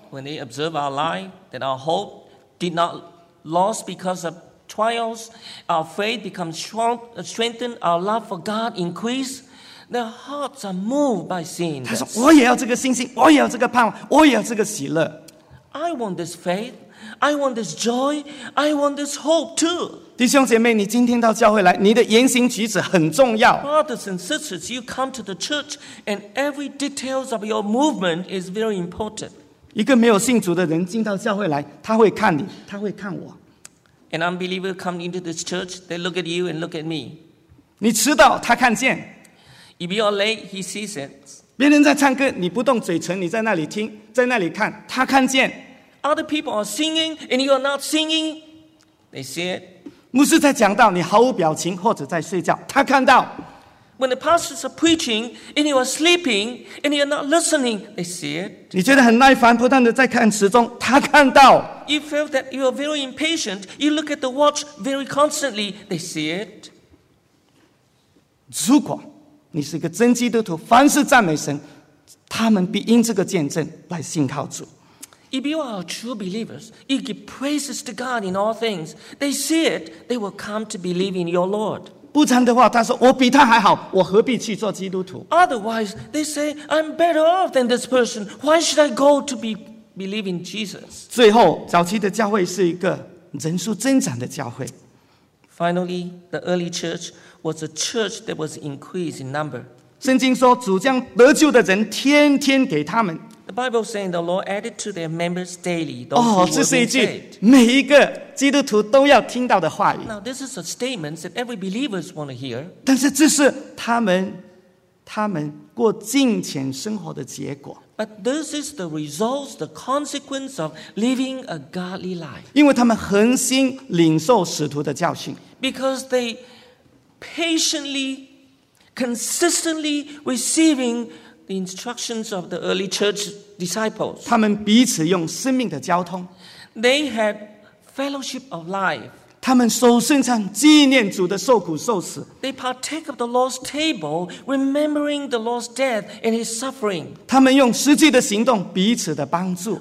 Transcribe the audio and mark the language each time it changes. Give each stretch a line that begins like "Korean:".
English: When they observe our life, that our hope did not lost because of trials, our faith becomes strengthened, our love for God increase, their hearts are moved by seeing this.
Chinese: 他说,我也要这个信心,我也要这个盼望,我也要这个喜乐。
English: I want this faith, I want this joy, I want this hope too.
Chinese: 弟兄姐妹,你今天到教会来,你的言行举止很重要。
English: Brothers and sisters, you come to the church, and every details of your movement is very important.
Chinese: 一个没有信主的人进到教会来，他会看你，他会看我。
English: An unbeliever come into this church, they look at you and look at me.
Chinese: 你迟到，他看见。
English: If you are late, he sees it.
Chinese: 别人在唱歌，你不动嘴唇，你在那里听，在那里看，他看见。
English: Other people are singing and you are not singing, they see it.
Chinese: 牧师在讲道，你毫无表情或者在睡觉，他看到。
English: When the pastors are preaching and you are sleeping and you are not listening, they see it.
Chinese: 你觉得很耐烦，不断的在看时钟，他看到。
English: You feel that you are very impatient. You look at the watch very constantly. They see it.
Chinese: 如果你是一个真基督徒，凡事赞美神，他们必因这个见证来信靠主。
English: If you are true believers, you give praises to God in all things. They see it. They will come to believe in your Lord.
Chinese: 不然的话，他说我比他还好，我何必去做基督徒
English: ？Otherwise, they say I'm better off than this person. Why should I go to be? Believe in Jesus.
Chinese: 最后，早期的教会是一个人数增长的教会。
English: Finally, the early church was a church that was increased in number.
Chinese: 圣经说，主将得救的人天天给他们。
English: The Bible saying the Lord added to their members daily.
Chinese: 哦，这是一句每一个基督徒都要听到的话语。
English: Now this is a statement that every believers want to hear.
Chinese: 但是这是他们过敬虔生活的结果。
English: But this is the result, the consequence of living a godly life.
Chinese: 因为他们恒心领受使徒的教训。
English: Because they patiently, consistently receiving the instructions of the early church disciples.
Chinese: 他们彼此用生命的交通。
English: They had fellowship of life.
Chinese: 他们守圣餐，纪念主的受苦受死。
English: They partake of the Lord's table, remembering the Lord's death and His suffering.
Chinese: 他们用实际的行动彼此的帮助。